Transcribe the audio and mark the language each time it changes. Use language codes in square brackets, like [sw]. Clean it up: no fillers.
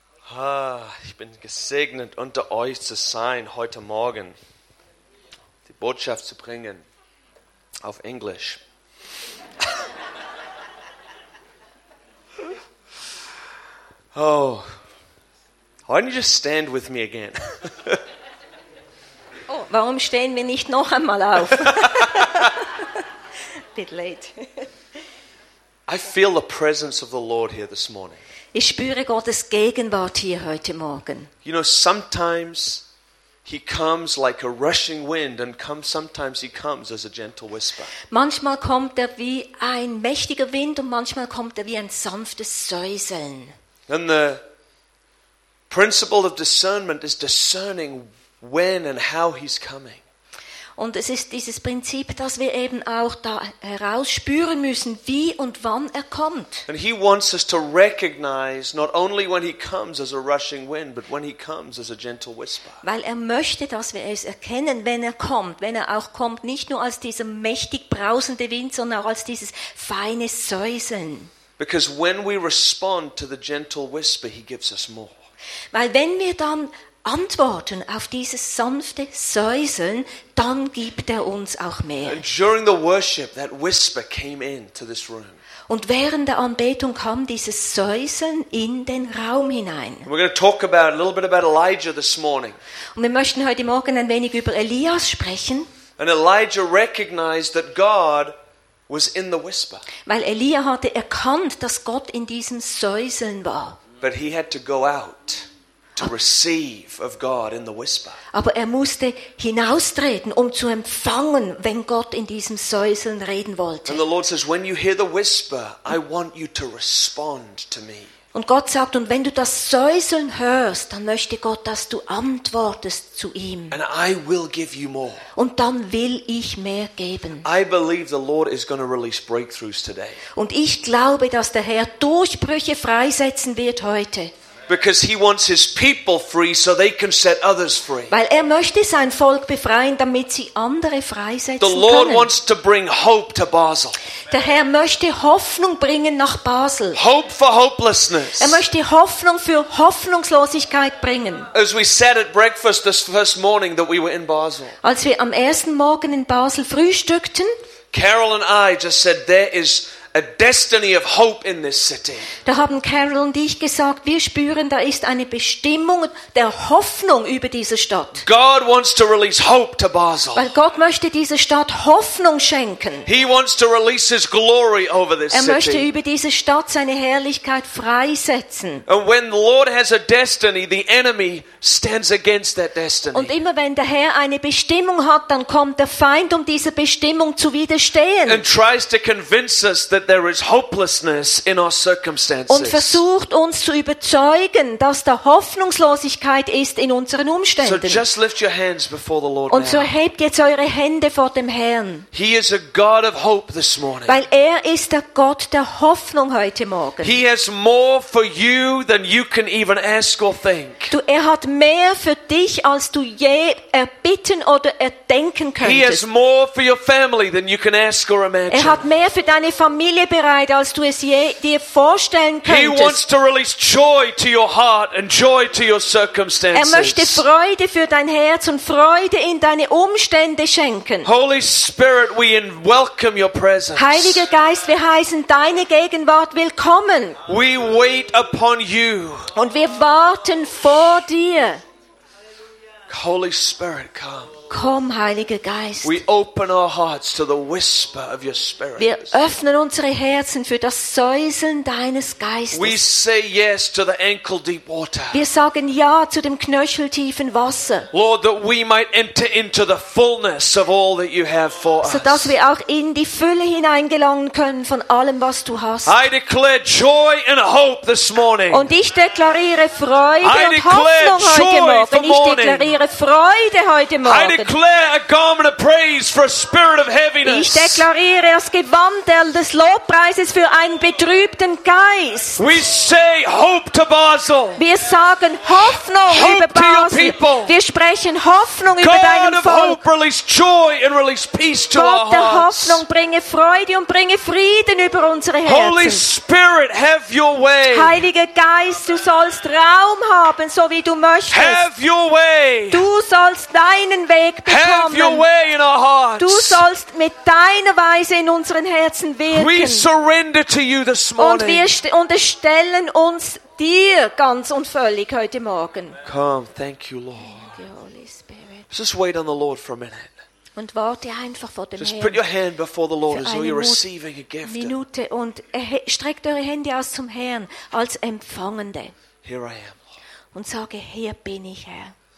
[de] Ah, ich bin gesegnet, unter euch zu sein heute Morgen, die Botschaft zu bringen auf Englisch. [en] Oh, why don't you just stand with me again? [de] Oh, warum stehen wir nicht noch einmal auf? [en] Bit late. I feel the presence of the Lord here this morning. [de] Ich spüre Gottes Gegenwart hier heute Morgen. [en] You know, sometimes he comes like a rushing wind, and sometimes he comes as a gentle whisper. [de] Manchmal kommt er wie ein mächtiger Wind und manchmal kommt er wie ein sanftes Säuseln. [en] And the principle of discernment is discerning when and how he's coming. [de] Und es ist dieses Prinzip, dass wir eben auch da herausspüren müssen, wie und wann er kommt. [en] And he wants us to recognize not only when he comes as a rushing wind, but when he comes as a gentle whisper. [de] Weil er möchte, dass wir es erkennen, wenn er kommt, wenn er auch kommt, nicht nur als dieser mächtig brausende Wind, sondern auch als dieses feine Säuseln. [en] Because when we respond to the gentle whisper, he gives us more. [de] Weil wenn wir dann antworten auf dieses sanfte Säuseln, dann gibt er uns auch mehr. [en] And during the worship, that whisper came into this room. [de] Und während der Anbetung kam dieses Säuseln in den Raum hinein. [en] We're going to talk about a little bit about Elijah this morning. [de] Und wir möchten heute Morgen ein wenig über Elias sprechen. [en] And Elijah recognized that God was in the whisper. [de] Weil Elia hatte erkannt, dass Gott in diesem Säuseln war. [en] But he had to go out to receive of God in the whisper. [de] Aber er musste hinaustreten, um zu empfangen, wenn Gott in diesem Säuseln reden wollte. [en] And the Lord says, when you hear the whisper, I want you to respond to me. [de] Und Gott sagt, und wenn du das Säuseln hörst, dann möchte Gott, dass du antwortest zu ihm. [en] And I will give you more. [de] Und dann will ich mehr geben. [en] I believe the Lord is going to release breakthroughs today. [de] Und ich glaube, dass der Herr Durchbrüche freisetzen wird heute. [en] Because he wants his people free so they can set others free. [de] Weil er möchte sein Volk befreien, damit sie andere freisetzen können. [en] The Lord wants to bring hope to Basel. [de] Der Herr möchte Hoffnung bringen nach Basel. [en] Hope for hopelessness. [de] Er möchte Hoffnung für Hoffnungslosigkeit bringen. [en] As we said at breakfast this first morning that we were in Basel. [de] Als wir am ersten Morgen in Basel frühstückten, [en] Carol and I just said there is a destiny of hope in this city. [de] Da haben Carol und ich gesagt, wir spüren, da ist eine Bestimmung der Hoffnung über diese Stadt. [en] God wants to release hope to Basel. [de] Weil Gott möchte dieser Stadt Hoffnung schenken. [en] He wants to release his glory over this city. [de] Er möchte [en] city. [de] Über diese Stadt seine Herrlichkeit freisetzen. [en] And when the Lord has a destiny, the enemy stands against that destiny. [de] Und immer wenn der Herr eine Bestimmung hat, dann kommt der Feind, um dieser Bestimmung zu widerstehen. [en] And tries to convince us that there is hopelessness in our circumstances. [de] Und versucht uns zu überzeugen, dass da Hoffnungslosigkeit ist in unseren Umständen. [en] So just lift your hands before the Lord. [de] Und so hebt jetzt eure Hände vor dem Herrn. [en] He is a God of hope this morning. [de] Weil er ist der Gott der Hoffnung heute Morgen. [en] He has more for you than you can even ask or think. [de] Du, er hat mehr für dich, als du je erbitten oder erdenken könntest. [en] He has more for your family than you can ask or imagine. [de] Er hat mehr für deine Familie bereit, als du es je dir vorstellen könntest. [en] He wants to release joy to your heart and joy to your circumstances. [de] Er möchte Freude für dein Herz und Freude in deine Umstände schenken. [en] Holy Spirit, we welcome your presence. [de] Heiliger Geist, wir heißen deine Gegenwart willkommen. [en] We wait upon you. [de] Und wir warten vor dir. [en] Holy Spirit, come. [de] Komm, Heiliger Geist. [en] We open our hearts to the whisper of your spirit. [de] Wir öffnen unsere Herzen für das Säuseln deines Geistes. [en] We say yes to the ankle deep water. [de] Wir sagen ja zu dem knöcheltiefen Wasser. [en] Lord, that we might enter into the fullness of all that you have for us. [de] So dass wir auch in die Fülle hineingelangen können von allem, was du hast. [en] I declare joy and hope this morning. [de] Und ich deklariere Freude und Hoffnung heute Morgen. Ich deklariere Freude heute Morgen. [en] declare a garment of praise for a spirit of heaviness. [de] Ich deklariere das Gewand des Lobpreises für einen betrübten Geist. [en] We say hope to Basel. [de] Wir sagen Hoffnung über Basel. Wir sprechen Hoffnung über deinem Volk. [en] God of hope, release joy and release peace to our hearts. [de] Gott der Hoffnung, bringe Freude und bringe Frieden über unsere Herzen. [en] Holy Spirit, have your way. [de] Heiliger Geist, du sollst Raum haben, so wie du möchtest. [en] Have your way. [de] Du sollst deinen Weg bekommen. [en] Have your way in our hearts. [de] Du sollst mit deiner Weise in unseren Herzen wirken. [en] We surrender to you this morning. [de] Und wir unterstellen uns dir ganz und völlig heute Morgen. [en] Come, thank you, Lord. Thank you, Holy Spirit. Just wait on the Lord for a minute. [de] Und warte einfach vor dem [en] Just [de] Herrn. [en] Put your hand before the Lord as though you're receiving a gift. [de] Minute und streckt eure Hände aus zum Herrn als Empfangende. [en] Here I am. [de] Und sage, hier bin ich, Herr.